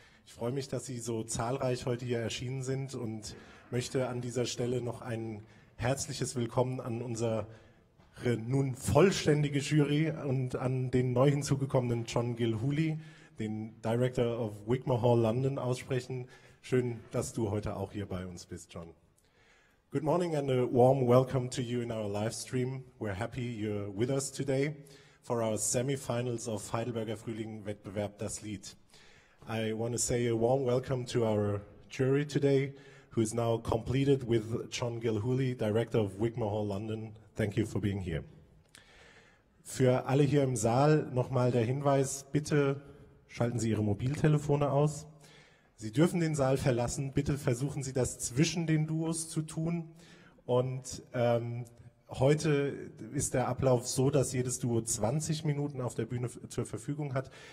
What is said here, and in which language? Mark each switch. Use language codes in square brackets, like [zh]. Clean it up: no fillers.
[de] Ich freue mich, dass Sie so zahlreich heute hier erschienen sind und möchte an dieser Stelle noch ein herzliches Willkommen an unsere nun vollständige Jury und an den neu hinzugekommenen John Gilhooly, den Director of Wigmore Hall London, aussprechen. Schön, dass du heute auch hier bei uns bist, John. [en] Good morning and a warm welcome to you in our live stream. We're happy you're with us today for our semifinals of Heidelberger Frühling-Wettbewerb Das Lied. I want to say a warm welcome to our jury today, who is now completed with John Gilhooly, Director of Wigmore Hall London. Thank you for being here. [de] Für alle hier im Saal nochmal der Hinweis: Bitte schalten Sie Ihre Mobiltelefone aus. Sie dürfen den Saal verlassen. Bitte versuchen Sie, das zwischen den Duos zu tun. Und heute ist der Ablauf so, dass jedes Duo 20 Minuten auf der Bühne zur Verfügung hat.